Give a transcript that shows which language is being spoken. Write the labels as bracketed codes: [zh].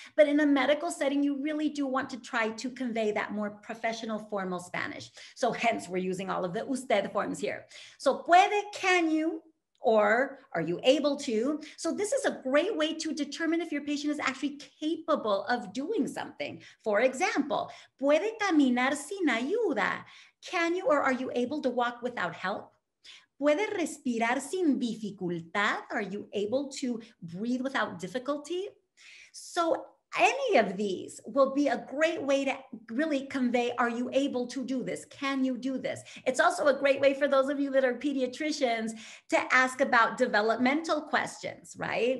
[en] But in a medical setting, you really do want to try to convey that more professional, formal Spanish. So hence, we're using all of the usted forms here. So puede, can you? Or are you able to? So this is a great way to determine if your patient is actually capable of doing something. For example, [es] puede caminar sin ayuda. [en] Can you or are you able to walk without help? [es] Puede respirar sin dificultad. [en] Are you able to breathe without difficulty? So any of these will be a great way to really convey, are you able to do this? Can you do this? It's also a great way for those of you that are pediatricians to ask about developmental questions, right?